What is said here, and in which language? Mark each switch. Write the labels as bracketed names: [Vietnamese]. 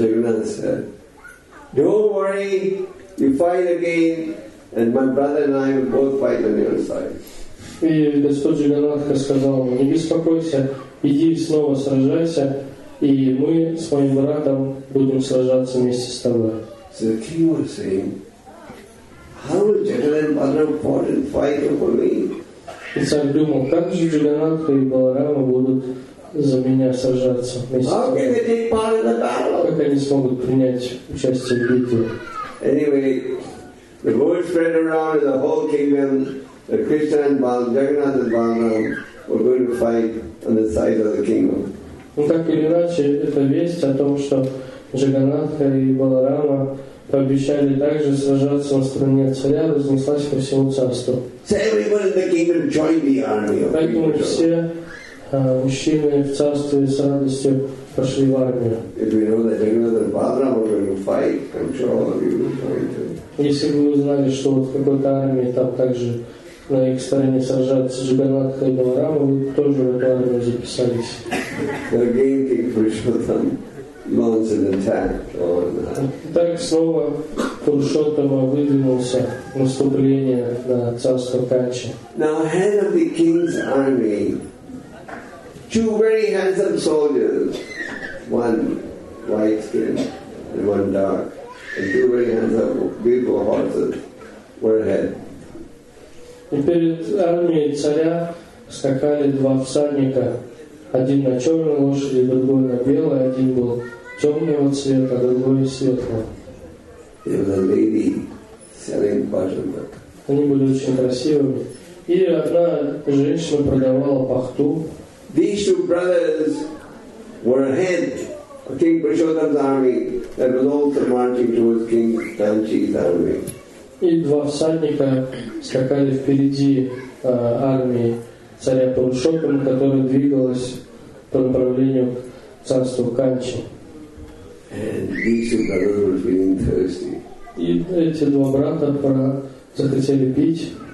[English] Jagannath said, "Don't worry, you fight again, and my brother and I will both fight on your side." [Russian] И Господь Джаганатха сказал ему: "Не беспокойся, иди снова сражайся, и мы с моим братом будем сражаться вместе с тобой." [English] So the king was saying, "How will Jagannath Balaram fought and fight over me?" [Russian] И царь думал, как же Джаганатха и Баларама будут за меня сражаться вместе с тобой? [English] How can they take part in the battle? [Russian] Как они смогут принять участие в битве? [English] Anyway, the word spread around in the whole kingdom. The Krishna and Jagannath and Balaram were going to fight on the side of the kingdom. [Russian] Ну так или иначе, это весть о том, что Джаганнатха и Баларама пообещали также сражаться на стороне царя, разнеслась по всему царству. [English] So everyone in the kingdom joined the army. [Russian] Поэтому все мужчины в царстве с радостью пошли в армию. [English] If we know that Jagannath and Balaram were going to fight, I'm sure all of you would join too. [Russian] Если бы вы узнали, что вот в какой-то армии там также на их стороне сражаться Джаганнатха и Баларама, вы тоже в эту армию записались. [English] Again, King Purushottam launched an attack on that. [Russian] Так снова Пурушоттама выдвинулся в наступление на царство Канчи. [English] Now, head of the king's army, two very handsome soldiers, one white skin and one dark, and two very handsome, beautiful horses were ahead. [Russian] И перед армией царя скакали два всадника, один на черной лошади, другой на белой, один был темного цвета, другой светлого. Они были очень красивыми. И одна женщина продавала пахту. [English] These two brothers were ahead of King Prashodam's army that was also marching towards King Tanchi's army. [Russian] И два всадника скакали впереди армии царя Пурушоттама, которая двигалась по направлению к царству Канчи. И эти два брата захотели пить.